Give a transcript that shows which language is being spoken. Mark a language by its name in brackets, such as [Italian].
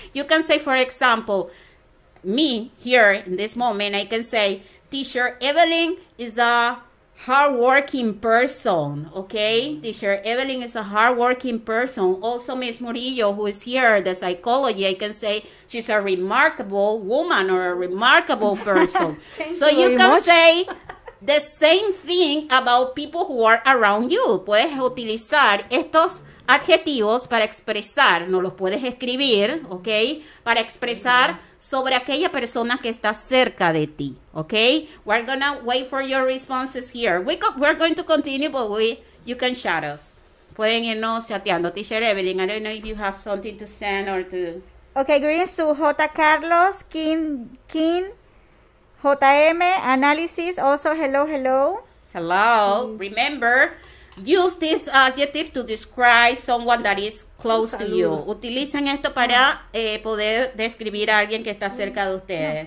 [English] You can say, for example, me here in this moment, I can say, Teacher Evelyn is a hardworking person, okay? Teacher Evelyn is a hardworking person. Also, Miss Murillo, who is here, the psychologist, I can say she's a remarkable woman or a remarkable person. So you can say the same thing about people who are around you. [Spanish] Puedes utilizar estos adjetivos para expresar, no los puedes escribir, okay? Para expresar sobre aquella persona que está cerca de ti, okay? [English] We're gonna wait for your responses here. We're going to continue, but you can shout us. [Spanish] pueden irnos chateando. [English] Teacher Evelyn, I don't know if you have something to send or to... Okay, greetings to J. Carlos, King, JM, Analysis, also hello. Hello. Mm-hmm. Remember, use this adjective to describe someone that is close to you. [Spanish] Utilizan esto para poder describir a alguien que está cerca de ustedes.